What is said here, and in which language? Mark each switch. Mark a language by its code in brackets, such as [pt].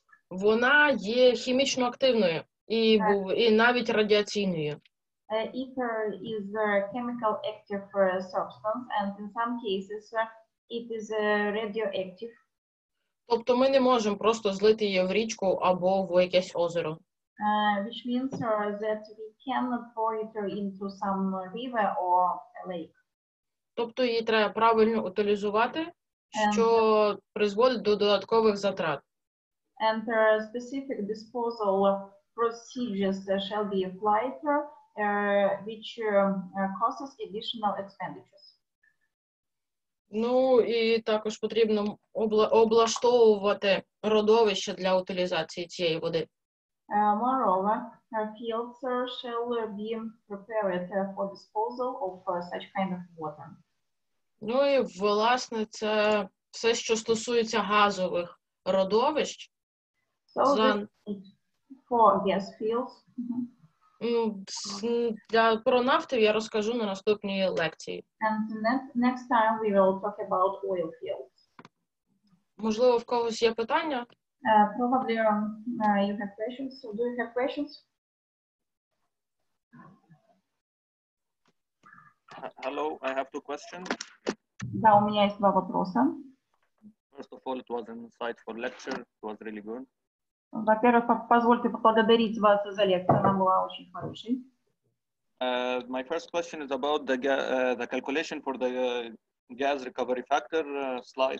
[uk] Вона є хімічно активною і навіть радіаційною. [en] Ether is a chemical active substance and in some cases it is radioactive. [uk] Тобто ми не можемо просто злити її в річку або в якесь озеро. [en] Which means that we cannot pour it into some river or a lake. [uk] Тобто її треба правильно утилізувати, що призводить до додаткових затрат. [en] And the specific disposal procedures shall be applied which causes additional expenditures. [uk] Ну, і також потрібно облаштовувати родовище для утилізації цієї води. [en] Moreover, fields shall be prepared for disposal of such kind of water. [uk] Ну і, власне, це все, що стосується газових родовищ. [en] So for gas fields. [uk] Про нафту я розкажу на наступній лекції. [en] And next time we will talk about oil fields. [uk] Можливо, в когось є питання? [en] Probably you have questions. So do you have questions? Hello, I have two questions. [ru] Да, у меня есть два вопроса. [en] First of all, it was an insightful lecture. It was really good. [ru] Во-первых, позвольте поблагодарить вас за лекцию, она была очень хорошей. [en] My first question is about the calculation for the gas recovery factor slide.